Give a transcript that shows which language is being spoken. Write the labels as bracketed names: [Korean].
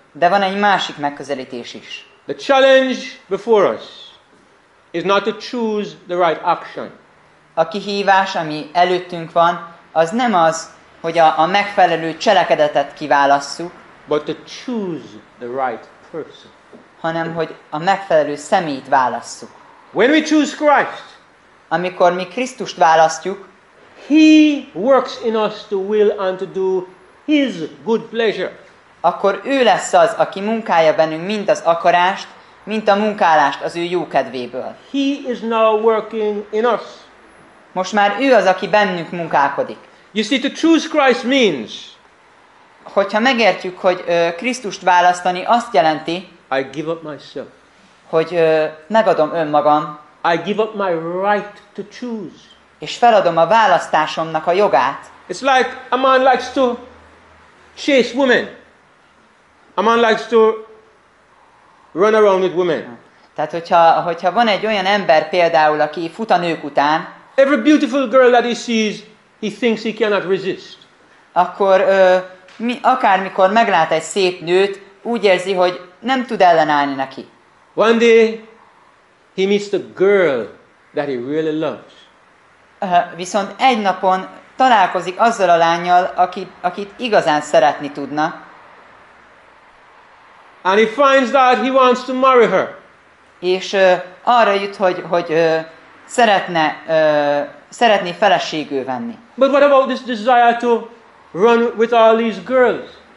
[Hungarian] De van egy másik megközelítés is. [English] The challenge before us is not to choose the right action. [Hungarian] A kihívás, ami előttünk van, az nem az, hogy a megfelelő cselekedetet kiválasszuk, [English] but to choose the right person. [Hungarian] Hanem hogy a megfelelő személyt válasszuk. [English] When we choose Christ, [Hungarian] amikor mi Krisztust választjuk, [English] He works in us to will and to do His good pleasure. [Hungarian] Akkor ő lesz az, aki munkálja bennünk mind az akarást, mint a munkálást az ő jó kedvéből. [English] He is now working in us. [Hungarian] Most már ő az, aki bennünk munkálkodik. [English] You see, to choose Christ means, [Hungarian] hogyha megértjük, hogy Krisztust választani azt jelenti, [English] I give up myself. [Hungarian] Hogy megadom önmagam. [English] I give up my right to choose. [Hungarian] És feladom a választásomnak a jogát. [English] It's like a man likes to chase women. A man likes to run around with women. [Hungarian] Tehát hogyha van egy olyan ember például, aki fut a nők után, [English] every beautiful girl that he sees, he thinks he cannot resist. [Hungarian] Akkor akármikor meglát egy szép nőt, úgy érzi, hogy nem tud ellenállni neki. [English] One day he meets the girl that he really loves. [Hungarian] Viszont egy napon találkozik azzal a lányjal, akit igazán szeretni tudna. [English] And he finds that he wants to marry her. [Hungarian] És arra jut, hogy szeretné feleségül venni. [English] But what about this desire to run with all these girls?